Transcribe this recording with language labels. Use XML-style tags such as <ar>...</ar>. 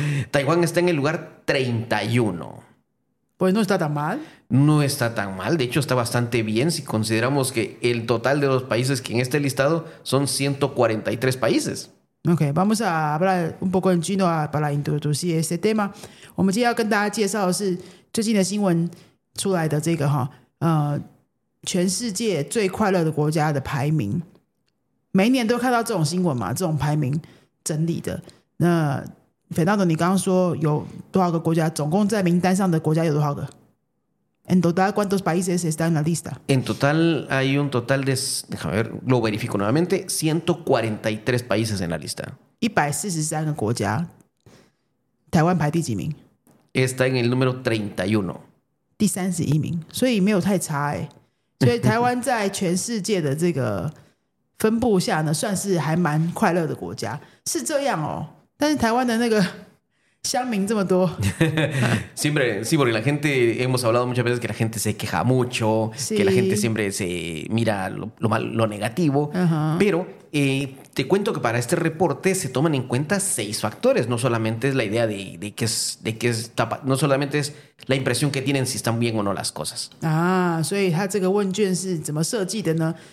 <es>Taiwán está en el lugar 31. Pues no está tan mal. No está tan mal. De hecho, está bastante bien si consideramos que el total de los países que en este listado son 143 países. Ok, vamos a hablar un poco en chino para introducir este tema. Hoy vamos a presentar</es> <zh>最近的新闻出来的这个全世界最快乐的国家的排名每年都看到这种新闻嘛这种排名整理的那Fernando你刚刚说有多少个国家总共在名单上的国家有多少个</zh> <es>En total, ¿cuántos países están en la lista? En total hay un total de, déjame ver, lo verifico nuevamente, 143 países en la lista.</es> <zh>143个国家 台湾排第几名?</zh> <es>Está en el número 31.</es> <zh>第31名, 所以没有太差耶, 所以台湾在全世界的这个分布下呢, 算是还蛮快乐的国家, 是这样哦, 但是台湾的那个乡民这么多,</zh> <es>siempre, sí, porque la gente, hemos hablado muchas veces que la gente se queja mucho, sí, que la gente siempre se mira lo mal, lo negativo, uh-huh, pero te cuento que para este reporte se toman en cuenta 6 factores. No solamente es la idea no solamente es la impresión que tienen si están bien o no las cosas.</es> <zh>Ah, 所以他这个问卷是怎么设计的呢?</zh>